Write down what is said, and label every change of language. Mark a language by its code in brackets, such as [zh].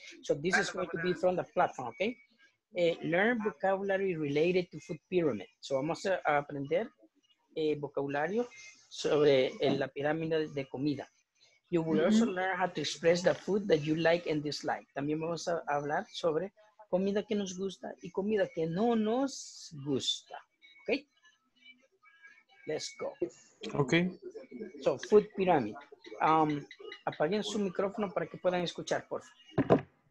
[en] So this is going to be from the platform, okay? Learn vocabulary related to food pyramid. [es] So vamos a aprender vocabulario sobre la pirámide de comida. [en] You will also learn how to express the food that you like and dislike. [es] También vamos a hablar sobre comida que nos gusta y comida que no nos gusta. [en] Okay? Let's go. Okay. So, food pyramid. [es] Apaguen su micrófono para que puedan escuchar, por favor.